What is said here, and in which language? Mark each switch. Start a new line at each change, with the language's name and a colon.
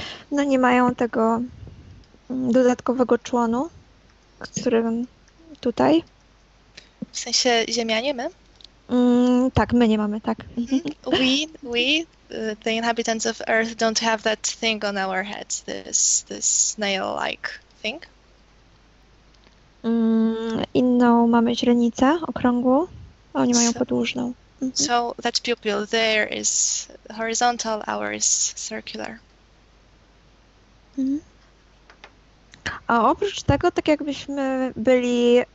Polish: No nie mają tego dodatkowego członu, którym tutaj. W sensie Ziemianie my? Tak, my nie mamy, tak.
English: We, the inhabitants of Earth, don't have that thing on our heads, this snail-like thing.
Polish: Inną mamy źrenicę okrągłą, a oni mają podłużną.
English: So that pupil there is horizontal, ours is circular.
Polish: A oprócz tego, tak jakbyśmy byli.